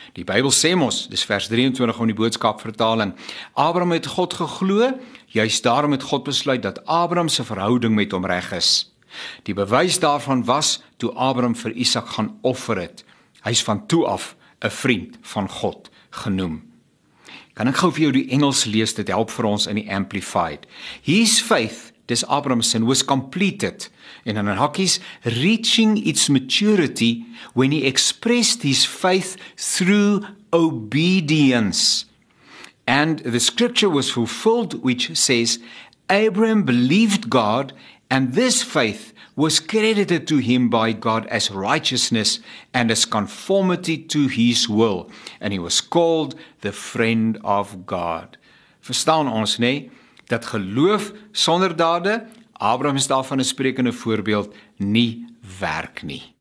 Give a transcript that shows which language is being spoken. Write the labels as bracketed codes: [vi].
[af] Die Bybel sê mos, dis vers 23 van die boodskap vertaling, Abraham het God geglo, juist daarom het God besluit dat Abraham se verhouding met hom reg is. Die bewys daarvan was toe Abraham vir Isak gaan offer het. Hy is van toe af 'n vriend van God genoem. Kan ek gou vir jou die Engels lees, dit help vir ons in die Amplified. [en] His faith, [af] dis Abraham's sin, [en] was completed, [af] en in hakkies, [en] reaching its maturity when he expressed his faith through obedience. And the scripture was fulfilled which says, Abraham believed God, and this faith was credited to him by God as righteousness and as conformity to his will. And he was called the friend of God. [af] Verstaan ons, nee, dat geloof sonder dade, Abraham is daarvan 'n sprekende voorbeeld, nie werk nie.